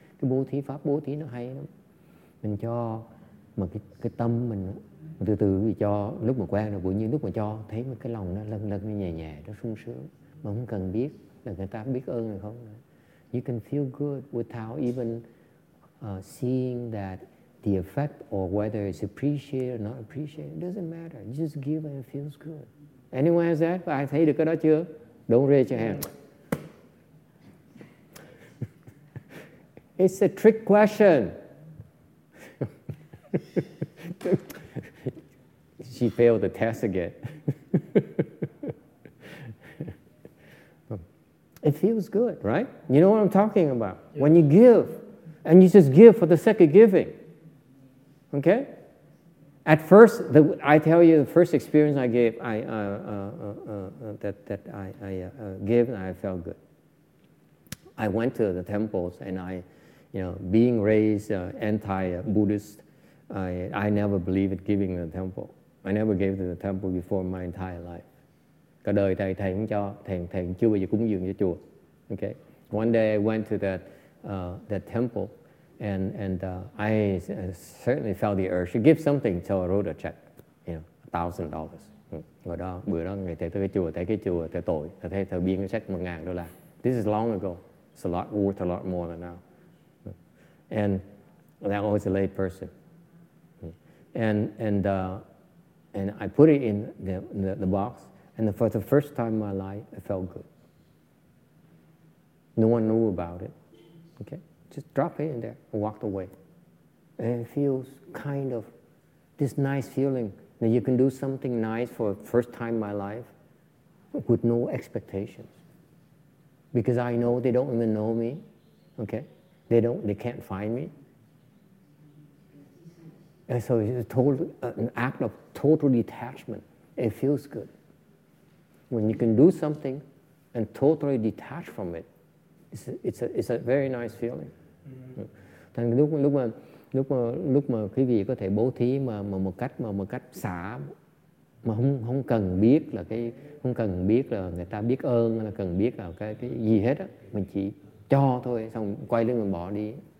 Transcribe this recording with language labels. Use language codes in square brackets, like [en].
[vi] Cái bố thí, pháp bố thí nó hay lắm. Mình cho mà cái tâm mình đó, từ từ vì cho lúc mà quen rồi, bỗng nhiên lúc mà cho thấy một cái lòng nó lân lân nó nhẹ nhẹ, nó sung sướng, mà không cần biết là người ta biết ơn hay không. [en] You can feel good without even seeing that the effect or whether it's appreciated or not appreciated, it doesn't matter. Just give and it feels good. Anyone has that? I [vi] thấy được cái đó chưa? [en] Don't raise your hand. It's a trick question. She failed the test again. It feels good, right? You know what I'm talking about. Yeah. When you give, and you just give for the sake of giving. Okay? At first, the first experience I gave, I felt good. I went to the temples, and I, you know, being raised anti-Buddhist, I never believed in giving the temple. I never gave to the temple before my entire life. [vi] Cả đời thầy thầy không cho, thầy thầy chưa bao giờ cúng dường cho chùa. Okay. [en] One day I went to that temple, and I certainly felt the urge to give something, so I wrote a check, you know, $1,000. [vi] Ngồi đó, bữa đó người thầy tới cái chùa thầy tội, thầy thầy biên cái check $1,000. [en] This is long ago. It's a lot worth a lot more than now. And that was a lay person. And I put it in the box, and for the first time in my life, I felt good. No one knew about it. Okay? Just drop it in there and walked away. And it feels kind of this nice feeling that you can do something nice for the first time in my life with no expectations. Because I know they don't even know me. Okay? They can't find me. And so it's an act of total detachment. It feels good. When you can do something and totally detach from it, it's a very nice feeling. Mm-hmm. [vi] Thành lúc mà quý vị có thể bố thí mà một cách xả mà không cần biết là cái không cần biết là người ta biết ơn là cần biết là cái gì hết á, mình chỉ cho thôi xong quay lưng mình bỏ đi.